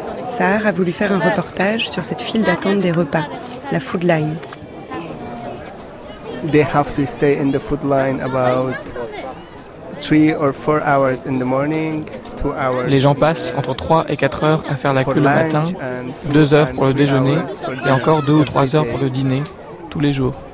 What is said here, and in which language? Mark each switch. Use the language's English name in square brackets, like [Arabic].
[French] Sahar a voulu faire un reportage sur cette file d'attente des repas, la food line. [English] They have to stay in the food line about 3 or 4 hours in the morning, 2 hours. [French] Les gens passent entre 3 et 4 heures à faire la queue le matin, 2 heures pour le déjeuner et encore 2 ou 3 heures pour le dîner tous les jours.